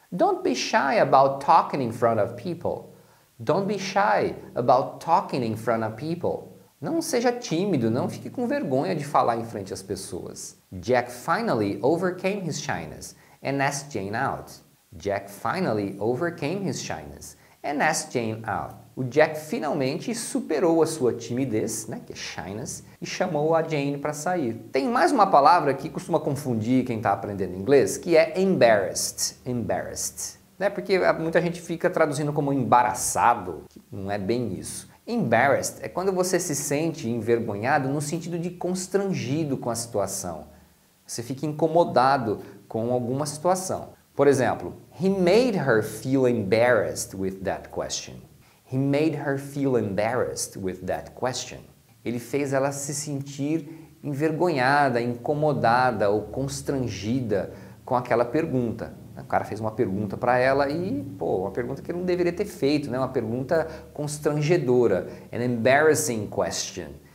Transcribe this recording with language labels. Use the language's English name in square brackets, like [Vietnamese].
[English] Don't be shy about talking in front of people. Don't be shy about talking in front of people. [Portuguese] Não seja tímido, não fique com vergonha de falar em frente às pessoas. [English] Jack finally overcame his shyness and asked Jane out. Jack finally overcame his shyness and asked Jane out. [Portuguese] O Jack finalmente superou a sua timidez, né, que é shyness, e chamou a Jane para sair. Tem mais uma palavra que costuma confundir quem está aprendendo inglês, que é embarrassed. Embarrassed. Porque muita gente fica traduzindo como embaraçado, que não é bem isso. Embarrassed é quando você se sente envergonhado no sentido de constrangido com a situação. Você fica incomodado com alguma situação. Por exemplo, [English] he made her feel embarrassed with that question. He made her feel embarrassed with that question. [Portuguese] Ele fez ela se sentir envergonhada, incomodada ou constrangida com aquela pergunta. O cara fez uma pergunta para ela e, pô, uma pergunta que ele não deveria ter feito, né? Uma pergunta constrangedora, [English] an embarrassing question.